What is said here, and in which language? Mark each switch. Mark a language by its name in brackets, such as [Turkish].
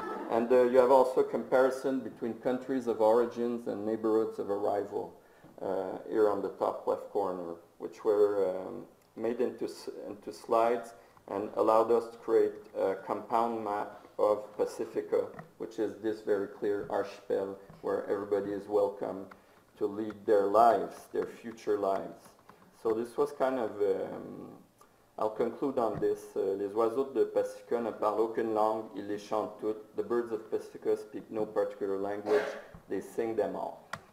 [English] And you have also comparison between countries of origins and neighborhoods of arrival here on the top left corner, which were made into slides and allowed us to create a compound map of Pacifica, which is this very clear archipel where everybody is welcome to lead their lives, their future lives. So this was kind of, I'll conclude on this. [French] Les oiseaux de Pacifica ne parlent aucune langue, ils les chantent toutes. [English] The birds of Pacifica speak no particular language, they sing them all.